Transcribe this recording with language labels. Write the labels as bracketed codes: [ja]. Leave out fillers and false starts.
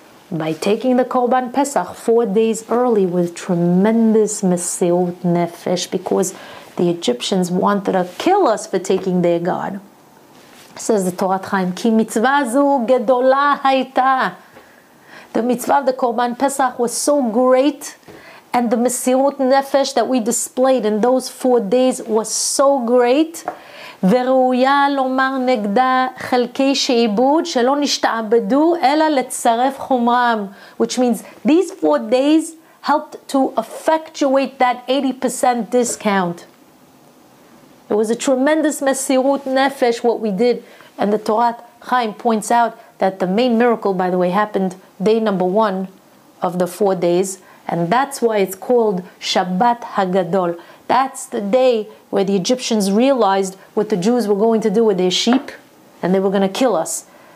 [en] By taking the Korban Pesach 4 days early with tremendous mesiut nefesh, because the Egyptians wanted to kill us for taking their God. Says the Torah Chaim, [he] Ki mitzvah zu gedola haita. [en] The mitzvah of the Korban Pesach was so great, and the mesiut nefesh that we displayed in those 4 days was so great. [he] וראויה לומר נגדה חלקי שעיבוד שלא נשתעבדו אלא לצרף חומרם, [en] which means these 4 days helped to effectuate that 80% discount. It was a tremendous mesirut nefesh what we did. And the Torah Chaim points out that the main miracle, by the way, happened day number one of the 4 days, and that's why it's called Shabbat HaGadol. That's the day where the Egyptians realized what the Jews were going to do with their sheep, and they were going to kill us.